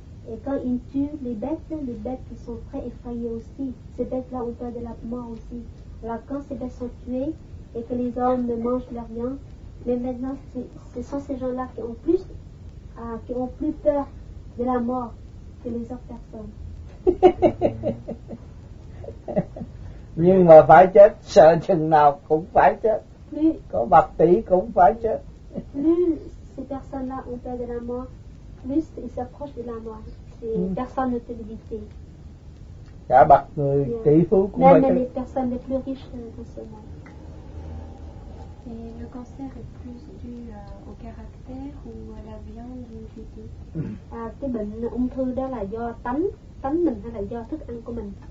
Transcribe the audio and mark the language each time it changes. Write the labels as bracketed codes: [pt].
[fr] Et quand ils tuent les bêtes qui sont très effrayées aussi, ces bêtes-là ont peur de la mort aussi. Alors quand ces bêtes sont tuées et que les hommes ne mangent leur viande, mais maintenant ce sont ces gens-là qui ont plus peur de la mort que les autres personnes. [vi] Nhưng mà phải chết, sợ chừng nào cũng phải chết. Có bạc tỷ cũng phải chết. [fr] Plus ces personnes-là ont peur de la mort, plus ils s'approchent de la mort. C'est personne ne peut l'éviter. [vi] Cả bạc người tỷ phú cũng phải chết. [fr] Même les personnes les plus riches de ce monde. Et le cancer est plus dû au caractère ou à la viande ou du tout? [vi] Cái bệnh ung thư đó là do tánh mình hay là do thức ăn của mình?